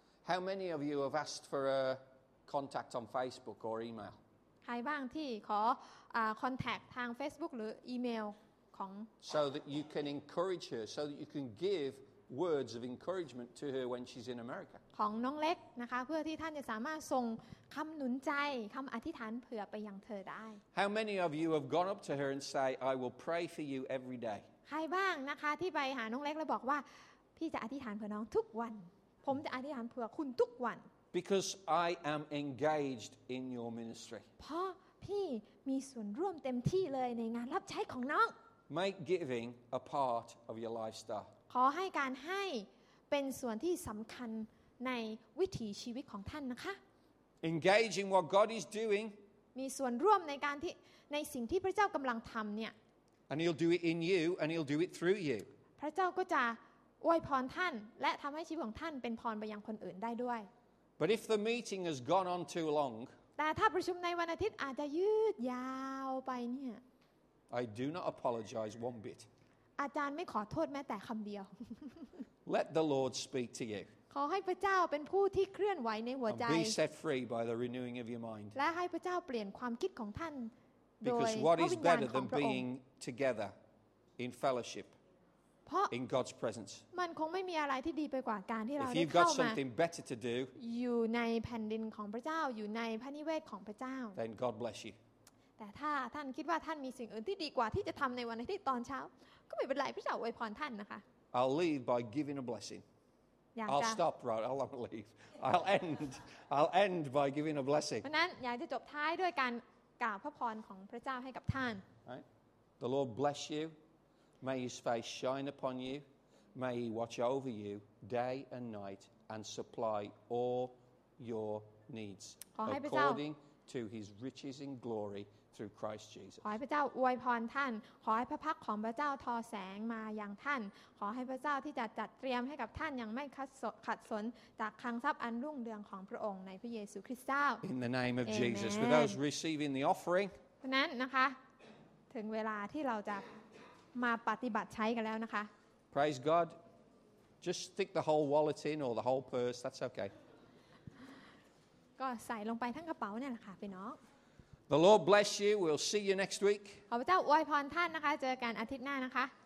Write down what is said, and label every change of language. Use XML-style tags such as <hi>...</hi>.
<en>How many of you have asked for a contact on Facebook or email?</en> <th>ใครบ้างที่ขอ contact ทาง Facebook หรืออีเมลของ</th> <en>So that you can encourage her, so that you can give words of encouragement to her when she's in America.</en> <th>ของน้องเล็กนะคะเพื่อที่ท่านจะสามารถส่งคำหนุนใจคำอธิษฐานเผื่อไปยังเธอได้</th> <en>How many of you have gone up to her and say, I will pray for you every day?</en> <th>ใครบ้างนะคะที่ไปหาน้องเล็กแล้วบอกว่าพี่จะอธิษฐานเผื่อน้องทุกวันผมจะอธิษฐานเผื่อคุณทุกวัน</th> <en>Because I am engaged in your ministry.</en> <th>เพราะพี่มีส่วนร่วมเต็มที่เลยในงานรับใช้ของน้อง</th> <en>Make giving a part of your lifestyle.</en> <th>ขอให้การให้เป็นส่วนที่สำคัญในวิถีชีวิตของท่านนะคะ</th> <en>Engaging what God is doing</en> <th>มีส่วนร่วมในการที่ในสิ่งที่พระเจ้ากำลังทำเนี่ย</th> <en>And he'll do it in you and he'll do it through you</en> <th>พระเจ้าก็จะอวยพรท่านและทำให้ชีวิตของท่านเป็นพรไปยังคนอื่นได้ด้วย</th> <en>But if the meeting has gone on too long</en> <th>แต่ถ้าประชุมในวันอาทิตย์อาจจะยืดยาวไปเนี่ย</th> <en>I do not apologize one bit</en> <th>อาจารย์ไม่ขอโทษแม้แต่คำเดียว</th> <en>Let the Lord speak to you</en> <th>ขอให้พระเจ้าเป็นผู้ที่เคลื่อนไหวในหัวใจ</th> <en>And be set free by the renewing of your mind</en> <th>และให้พระเจ้าเปลี่ยนความคิดของท่านโดยพระวิญญาณของพระอง</th> <en>ค์ Because what is better than being together in fellowship in God's presence</en> <th>มันคงไม่มีอะไรที่ดีไปกว่าการที่เรา ได้เข้ามา</th> <en>If you've got something better to do</en> <th>อยู่ในแผ่นดินของพระเจ้าอยู่ในพระนิเวศของพระเจ้า</th> <en>Then God bless you</en> <th>แต่ถ้าท่านคิดว่าท่านมีสิ่งอื่นที่ดีกว่าที่จะทำในวันอาทิตย์ตอนเช้าก็ไม่เป็นไรพี่เจ้าอวยพรท่านนะคะ</th> <en>I'll leave by giving a blessing I'll stop right I'll leave I'll end by giving a blessing</en> <th>เพราะนั้นอยากจะจบท้ายด้วยการกล่าวพระพรของพระเจ้าให้กับท่าน</th> <en>The Lord bless you May His face shine upon you May He watch over you day and night and supply all your needs according to His riches in gloryThrough Christ Jesus.</en> <th>ขอให้พระเจ้าอวยพรท่านขอให้พระพักของพระเจ้าทอแสงมายังท่านขอให้พระเจ้าที่จะจัดเตรียมให้กับท่านยังไม่ขัดสนจากคลังทรัพย์อันรุ่งเรืองของพระองค์ในพระเยซูคริสต์เจ้า</th> <en>In the name of Jesus for those receiving the offering</en> <th>ดังนั้นนะคะถึงเวลาที่เราจะมาปฏิบัติใช้กันแล้วนะคะ</th> <en>Praise God just stick the whole wallet in or the whole purse that's okay</en> <th>ก็ใส่ลงไปทั้งกระเป๋าเนี่ยแหละค่ะพี่น้อง</th> <en>The Lord bless you. We'll see you next week.</en> <th>ขอพระเจ้าอวยพรท่านนะคะเจอกันอาทิตย์หน้านะคะ</th>